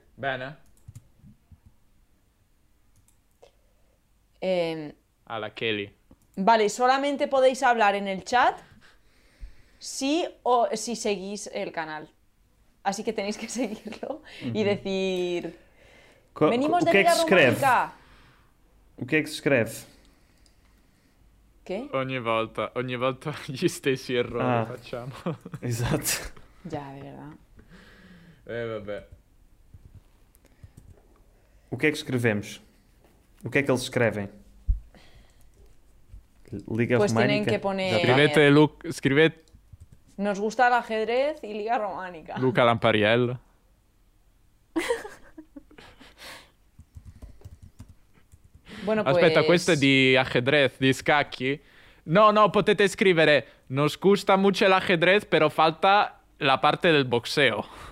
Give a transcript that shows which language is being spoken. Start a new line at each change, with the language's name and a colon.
Italian: Bene. A la Kelly.
Spanish: Vale, solamente podéis hablar en el chat si o si seguís el canal. Así que tenéis que seguirlo y decir... ¡Venimos de Vida Romántica! ¿Qué es que se escribe? ¿Qué?
Italian: Ogni volta gli stessi errori facciamo. Esatto.
Spanish: Ya, de verdad.
Italian: Vabbè.
Spanish: ¿Qué es que escribimos? ¿Qué es que ellos escriben? Liga Románica. Pues tienen que poner... Escribete... Nos gusta el ajedrez y Liga Románica. Luca Lampariello. Bueno,
Italian: aspetta, questo è di ajedrez, di scacchi?
Spanish: No,
Italian: potete scrivere
Spanish: nos gusta mucho el ajedrez, pero falta la parte del boxeo.